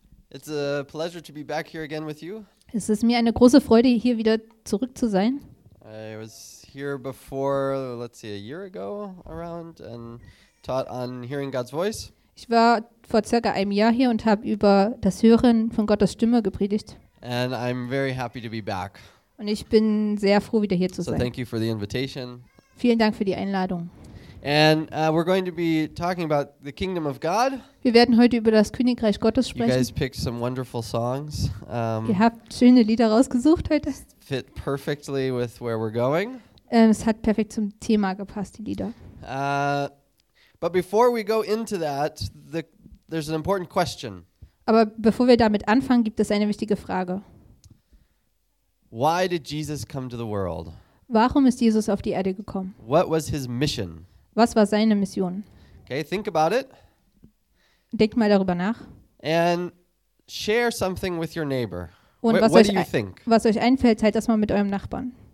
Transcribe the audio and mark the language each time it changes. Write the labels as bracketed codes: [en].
[en] It's a pleasure to be back here again with you. [de] Es ist mir eine große Freude, hier wieder zurück zu sein. [en] I was here before, let's see, a year ago around and taught on hearing God's voice. [de] Ich war vor circa einem Jahr hier und habe über das Hören von Gottes Stimme gepredigt. [en] And I'm very happy to be back. [de] Und ich bin sehr froh, wieder hier zu sein. [en] So thank you for the invitation. [de] Vielen Dank für die Einladung. [en] And we're going to be talking about the kingdom of God. [de] Wir werden heute über das Königreich Gottes sprechen. [en] You guys picked some wonderful songs. [de] Ihr habt schöne Lieder rausgesucht heute. [en] Fit perfectly with where we're going. [de] Es hat perfekt zum Thema gepasst, die Lieder. [en] But before we go into that, there's an important question. [de] Aber bevor wir damit anfangen, gibt es eine wichtige Frage. [en] Why did Jesus come to the world? [de] Warum ist Jesus auf die Erde gekommen? [en] What was his mission? [de] Was war seine Mission? [en] Okay, think about it. [de] Denk mal darüber nach. [en] And share something with your neighbor. [de] Und [en] what do you think? [de] Was euch einfällt, teilt das mal mit eurem Nachbarn.